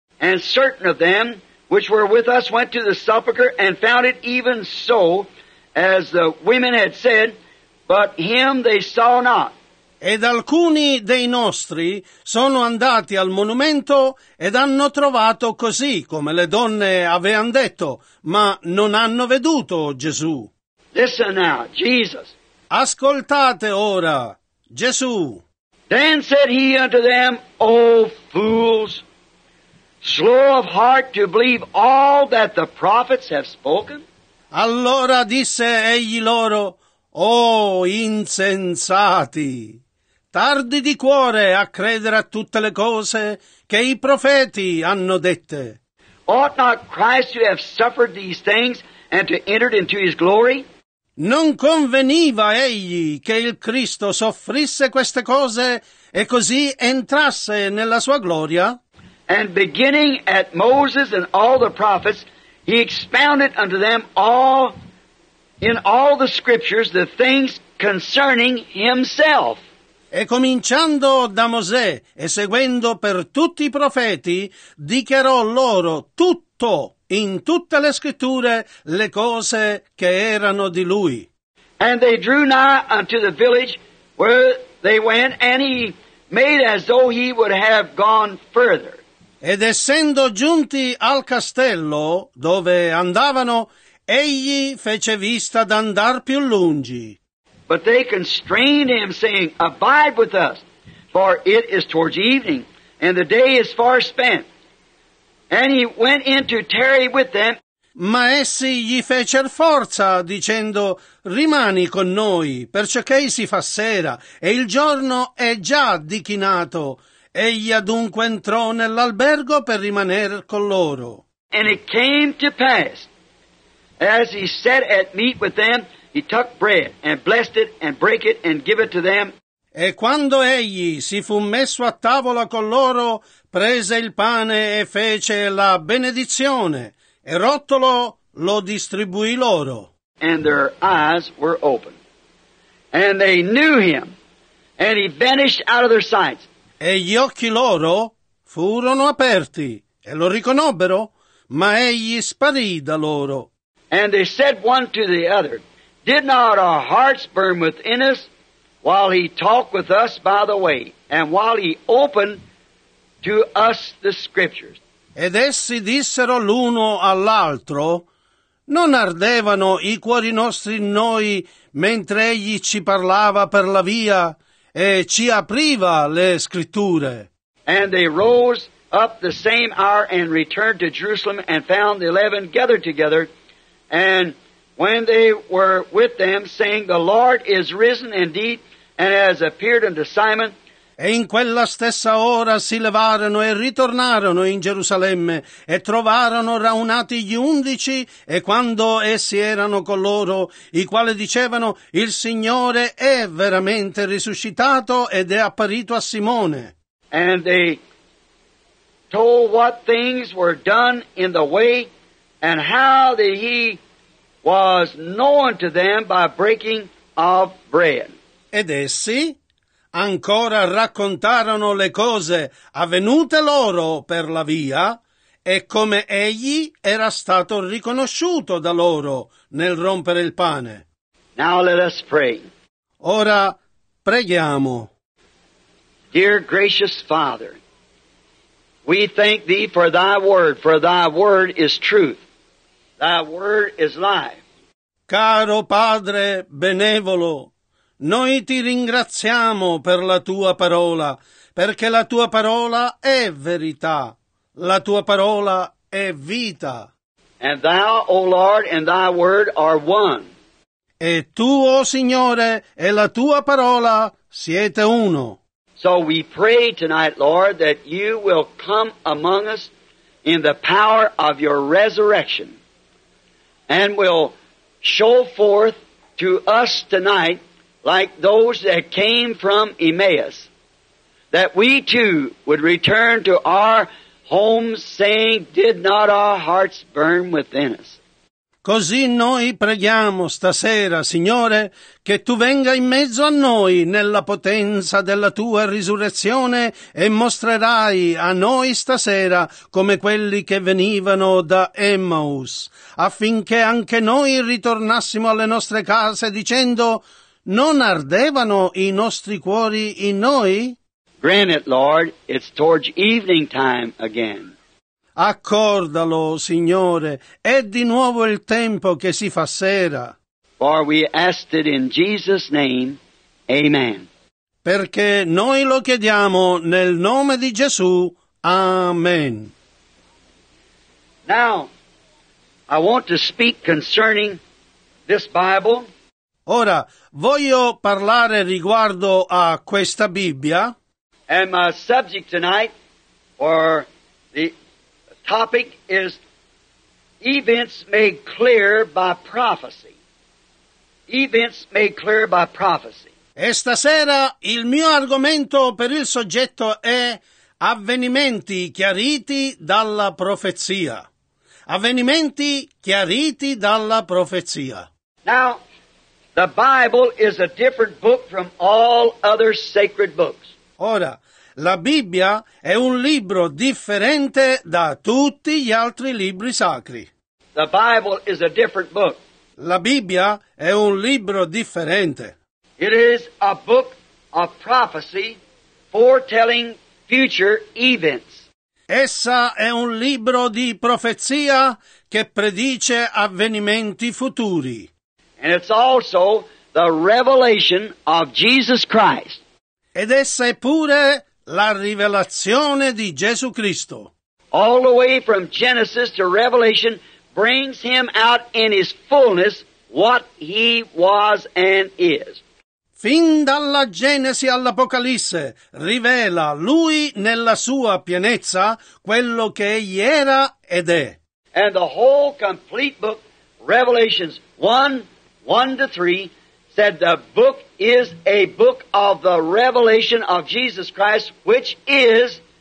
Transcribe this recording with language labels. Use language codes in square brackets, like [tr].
[en] And certain of them which were with us went to the sepulchre and found it even so as the women had said, but him they saw not. [it] Ed alcuni dei nostri sono andati al monumento ed hanno trovato così come le donne avevano detto, ma non hanno veduto Gesù. [en] Listen now, Jesus. [it] Ascoltate ora, Gesù. [en] Then said he unto them, O fools, slow of heart to believe all that the prophets have spoken? [it] Allora disse egli loro, O insensati, tardi di cuore a credere a tutte le cose che i profeti hanno dette. [en] Ought not Christ to have suffered these things and to enter into his glory? [it] Non conveniva egli che il Cristo soffrisse queste cose e così entrasse nella sua gloria? [en] And beginning at Moses and all the prophets, he expounded unto them all in all the scriptures the things concerning himself. [it] E cominciando da Mosè e seguendo per tutti i profeti, dichiarò loro tutto in tutte le scritture le cose che erano di lui. [en] And they drew nigh unto the village where they went, and he made as though he would have gone further. [it] Ed essendo giunti al castello dove andavano, egli fece vista d'andar più lungi. [en] But they constrained him, saying, Abide with us, for it is towards evening, and the day is far spent. And he went in to tarry with them. [it] Ma essi gli fecer forza, dicendo, Rimani con noi, perciò che si fa sera, e il giorno è già dichinato. Egli adunque entrò nell'albergo per rimanere con loro. [en] And it came to pass, as he sat at meat with them, he took bread, and blessed it, and broke it, and gave it to them. [it] E quando egli si fu messo a tavola con loro, prese il pane e fece la benedizione, e rotolo lo distribuì loro. [en] And their eyes were open. And they knew him, and he vanished out of their sight. [it] E gli occhi loro furono aperti, e lo riconobbero, ma egli sparì da loro. [en] And they said one to the other, did not our hearts burn within us while he talked with us by the way, and while he opened to us the scriptures? [it] Ed essi dissero l'uno all'altro, non ardevano i cuori nostri in noi mentre egli ci parlava per la via e ci apriva le scritture? [en] And they rose up the same hour and returned to Jerusalem and found the 11 gathered together, and when they were with them, saying, the Lord is risen indeed, and has appeared unto Simon. [it] E in quella stessa ora si levarono e ritornarono in Gerusalemme, e trovarono raunati gli undici, e quando essi erano con loro, i quali dicevano, il Signore è veramente risuscitato ed è apparito a Simone. [en] And they told what things were done in the way, and how that he was known to them by breaking of bread. [it] Ed essi ancora raccontarono le cose avvenute loro per la via e come egli era stato riconosciuto da loro nel rompere il pane. [en] Now let us pray. [it] Ora preghiamo. [en] Dear gracious Father, we thank thee for thy word is truth, thy word is life. [it] Caro Padre benevolo, noi ti ringraziamo per la tua parola, perché la tua parola è verità, la tua parola è vita. [en] And thou, O Lord, and thy word are one. [it] E tu, O Signore, e la tua parola siete uno. [en] So we pray tonight, Lord, that you will come among us in the power of your resurrection, and will show forth to us tonight, like those that came from Emmaus, that we too would return to our homes saying, did not our hearts burn within us? [it] Così noi preghiamo stasera, Signore, che tu venga in mezzo a noi nella potenza della tua risurrezione e mostrerai a noi stasera come quelli che venivano da Emmaus, affinché anche noi ritornassimo alle nostre case dicendo, non ardevano i nostri cuori in noi? [en] Grant it, Lord, it's towards evening time again. [it] Accordalo, Signore, è di nuovo il tempo che si fa sera. [en] For we asked it in Jesus' name, amen. [it] Perché noi lo chiediamo nel nome di Gesù, amen. [en] Now, I want to speak concerning this Bible. [it] Ora, voglio parlare riguardo a questa Bibbia. [en] And my subject tonight, or the topic, is events made clear by prophecy. Events made clear by prophecy. [it] E stasera il mio argomento per il soggetto è avvenimenti chiariti dalla profezia. Avvenimenti chiariti dalla profezia. [en] Now, the Bible is a different book from all other sacred books. [it] Ora, la Bibbia è un libro differente da tutti gli altri libri sacri. [en] The Bible is a different book. [it] La Bibbia è un libro differente. [en] It is a book of prophecy, foretelling future events. [it] Essa è un libro di profezia che predice avvenimenti futuri. [en] And it's also the revelation of Jesus Christ. [it] Ed essa è pure la rivelazione di Gesù Cristo. [en] All the way from Genesis to Revelation brings him out in his fullness what he was and is. [it] Fin dalla Genesi all'Apocalisse rivela lui nella sua pienezza quello che egli era ed è. [en] And the whole complete book, Revelations 1:1-3, said the book is a book of the revelation of Jesus Christ, which is